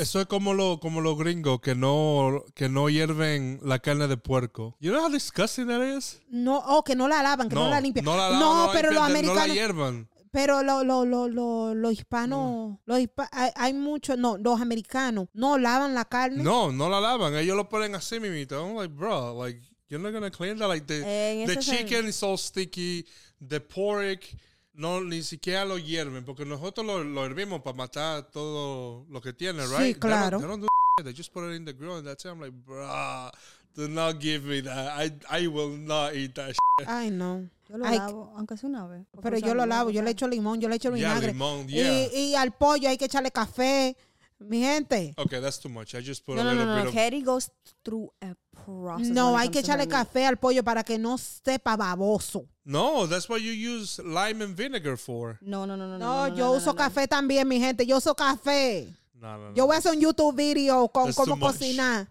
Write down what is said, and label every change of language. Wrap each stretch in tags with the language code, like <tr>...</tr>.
<es>Eso es como los gringos que no hierven la carne de puerco.</es> <en>You know how disgusting that is?</en> <es>No, que no la lavan, que no, no la limpian. No la lavan, no, pero los americanos... No la hiervan. Pero los hispanos, hay muchos, no, los americanos, no lavan la carne. No, no la lavan. Ellos lo ponen así, mimito.</es> <en>I'm like, bro, like, you're not going to clean that. Like, the chicken is all sticky. The pork,</en> <es>no, ni siquiera lo hierven. Porque nosotros lo hervimos para matar todo lo que tiene, right? Sí, claro.</es> <en>They just put it in the grill and that's it. I'm like, bro, do not give me that. I will not eat that shit. I know.</en> <es>Yo lo lavo, aunque sea una vez. Pero yo lo lavo, yo le echo limón, yo le echo vinagre. Yeah, limón, yeah. Y al pollo hay que echarle café. Mi gente.</es> <en>Okay, that's too much. I just put a little bit of... Katie goes through a process.</en> <es>No, hay que echarle café al pollo para que no sepa baboso.</es> <en>No, that's what you use lime and vinegar for.</en> <es>No, yo uso café también, mi gente. Yo uso café. No. Yo voy a hacer un YouTube video con cómo cocinar.</es>